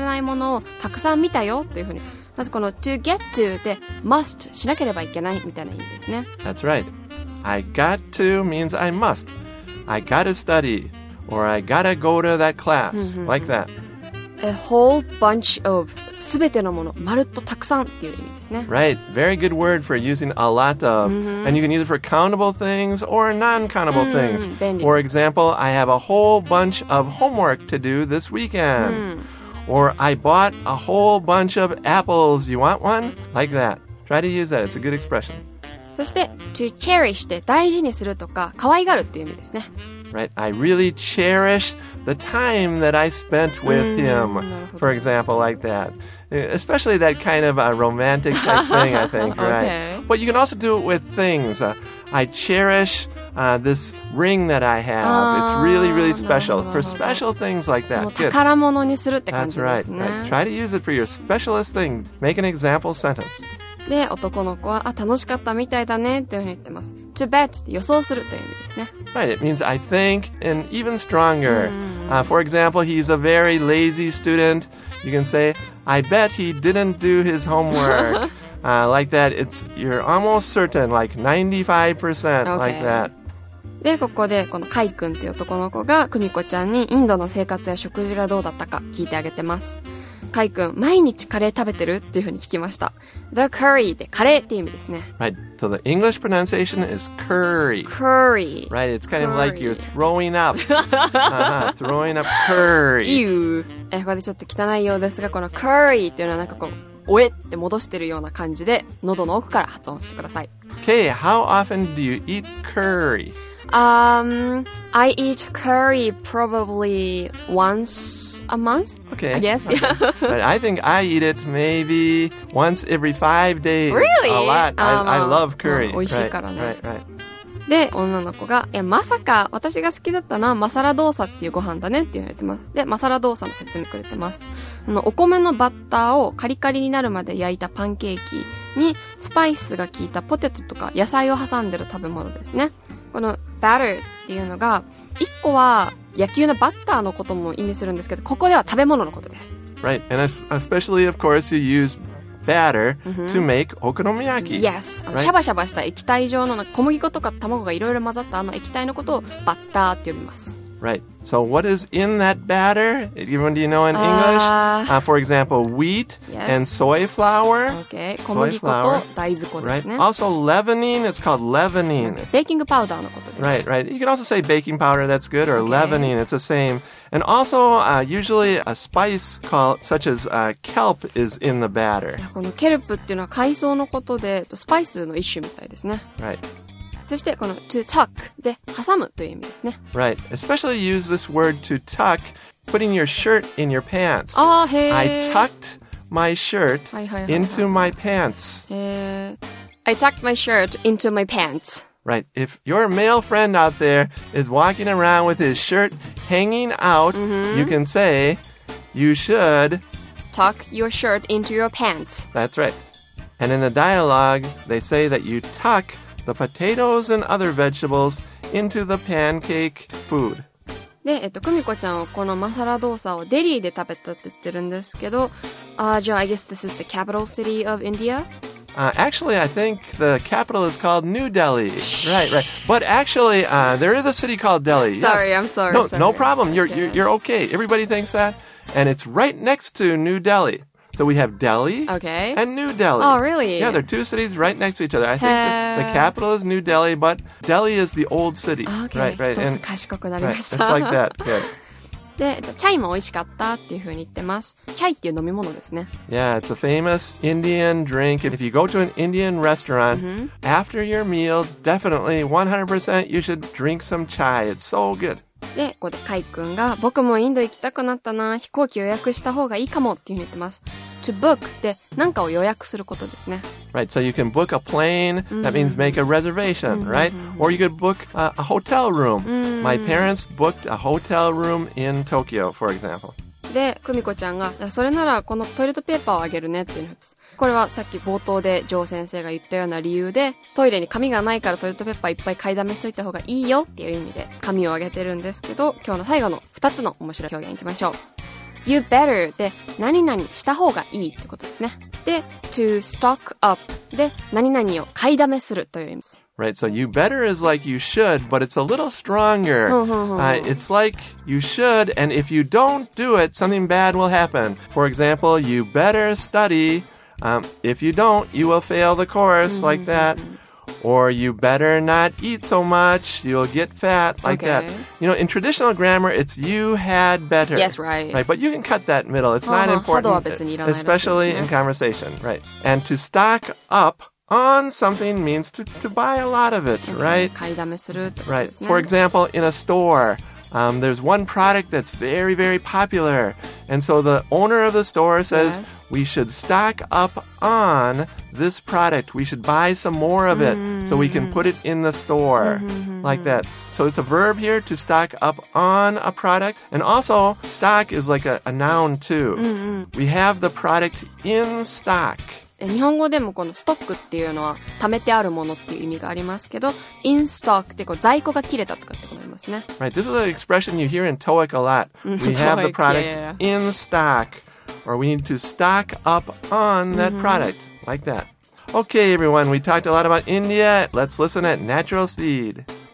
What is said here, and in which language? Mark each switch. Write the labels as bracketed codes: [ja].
[ja] で、この女の子クミコちゃんはこの間インドに行ってきたばっかりなのでインドはどうだったって聞いてここで、クミコちゃん私も一生忘れられないものをたくさん見たよっていう風にまずこの To get to で Must しなければいけないみたいな意味ですね [en] That's right I got to means I mustI gotta study, or I gotta go to that class, like that. A whole bunch of, [ja] 全てのもの、まるっとたくさんっていう意味ですね。 [en] Right, very good word for using a lot of. And you can use it for countable things or non-countable things. For example, I have a whole bunch of homework to do this weekend. Or I bought a whole bunch of apples, you want one? Like that. Try to use that, it's a good expression. [ja] そして to cherish で大事にするとか可愛がるっていう意味ですね。 [en] Right, I really cherish the time that I spent with him. For example, like that. Especially that kind of a romantic type thing, I think, right? Okay. But you can also do it with things. I cherish this ring that I have. It's really, really special. For special things like that. [ja] もう宝物にするって感じですね。 [en] That's right, right. Try to use it for your specialist thing. Make an example sentence. [ja] で、男の子は、あ、楽しかったみたいだねというふうに言ってます。 To bet 予想するという意味ですね。 [en] Right, it means I think, and even stronger. For example, he's a very lazy student. You can say, I bet he didn't do his homework. like that, it's, you're almost certain, like 95%, okay. like that. [ja] で、ここで、このカイ君っていう男の子が、クミコちゃんにインドの生活や食事がどうだったか聞いてあげてます。カイ君、毎日カレー食べてる?っていうふうに聞きました。The curry でカレーっていう意味ですね。 [en] Right. So the English pronunciation is curry. Curry. Right. It's kind of like you're throwing up. throwing up curry. Ew. [ja] ここでちょっと汚いようですが、この curry っていうのはなんかこう、おえって戻してるような感じで、喉の奥から発音してください。 [en] Okay. How often do you eat curry? I eat curry probably once a month. Okay. I guess, yeah. But I think I eat it maybe once every 5 days. Really? A lot. I love curry. [ja] 美味しいからね。 [en] Right, right. [ja] で、女の子が、いや、まさか私が好きだったのはマサラドーサっていうご飯だねって言われてます。で、マサラドーサの説明くれてます。あの、お米のバッターをカリカリになるまで焼いたパンケーキにスパイスが効いたポテトとか野菜を挟んでる食べ物ですね。このバターっていうのが一個は野球のバッターのことも意味するんですけど、ここでは食べ物のことです。 [en] Right, and especially of course you use batter to make okonomiyaki. [ja] Yes, シャバシャバした液体状の小麦粉とか卵がいろいろ混ざったあの液体のことをバッターって呼びます。 [en] Right. So what is in that batter? Even do you know in English? For example, wheat and soy flour. Okay. [ja] 小麦粉と大豆粉ですね。 [en] Right. Also leavening. It's called leavening. Okay. [ja] Baking powder のことです。 [en] Right, right. You can also say baking powder. That's good. Or leavening. It's the same. And also, usually a spice called, such as, kelp is in the batter. [ja] このケルプっていうのは海藻のことで、スパイスの一種みたいですね。 [en] Right. [ja] そしてこの to tuck で挟むという意味ですね。 [en] Right. Especially use this word to tuck, putting your shirt in your pants. [ja] あー、へー。 [en] I tucked my shirt into my pants. へー。I tucked my shirt into my pants. Right. If your male friend out there is walking around with his shirt hanging out,、mm-hmm. you can say, you should tuck your shirt into your pants. That's right. And in the dialogue, they say that you tuckthe potatoes and other vegetables into the pancake food. [ja] で、クミコちゃんはこのマサラドーサをデリーで食べたって言ってるんですけど、じゃあ [en] I guess this is the capital city of India? Actually, I think the capital is called New Delhi. Right, right. But actually, there is a city called Delhi. Sorry, yes. I'm sorry. No, sorry. No problem. You're okay. Everybody thinks that. And it's right next to New Delhi. So we have Delhi、 okay. and New Delhi. Oh, really? Yeah, they're two cities right next to each other. I think the capital is New Delhi, but Delhi is the old city. Okay, right, right. [ja] 一つ賢くなりました。 [en] Right, just like that. Okay. [ja] で、チャイも美味しかったっていうふうに言ってます。チャイっていう飲み物ですね。 [en] Yeah, it's a famous Indian drink. If you go to an Indian restaurant,、mm-hmm. after your meal, definitely 100% you should drink some chai. It's so good. [ja] で、ここでカイ君が、僕もインド行きたくなったな、飛行機予約した方がいいかもっていうふうに言ってます。 To book って、なんかを予約することですね。 [en] Right, so you can book a plane, that means make a reservation, right? Or you could book a hotel room. My parents booked a hotel room in Tokyo, for example. [ja] で、クミコちゃんが、それならこのトイレットペーパーをあげるねっていうふうに言ってます。これはさっき冒頭でジョー先生が言ったような理由で、トイレに紙がないからトイレットペーパーいっぱい買いだめしといた方がいいよっていう意味で紙をあげてるんですけど、今日の最後の2つの面白い表現いきましょう。 You better で何々した方がいいってことですね。で、to stock up で何々を買いだめするという意味です。 [en] Right, so you better is like you should, but it's a little stronger. It's like you should, and if you don't do it, something bad will happen. For example, you better study. If you don't, you will fail the course, like that. Or you better not eat so much, you'll get fat, like that. You know, in traditional grammar, it's you had better. Yes, right. Right, but you can cut that middle. It's not important, especially in conversation. Right, and to stock up. On something means to buy a lot of it, right? [ja] 買いだめするってことですね。 [en] For example, in a store, there's one product that's very, very popular. And so the owner of the store says, yes. we should stock up on this product. We should buy some more of it so we can put it in the store, like that. So it's a verb here to stock up on a product. And also, stock is like a noun too. We have the product in stock. [ja] 日本語でもこのストックっていうのは貯めてあるものっていう意味がありますけど [en] in stock [ja] ってこう在庫が切れたとかってことありますね [en] Right, this is an expression you hear in TOEIC a lot We have the product in stock Or we need to stock up on that product Like that Okay everyone, we talked a lot about India Let's listen at natural speed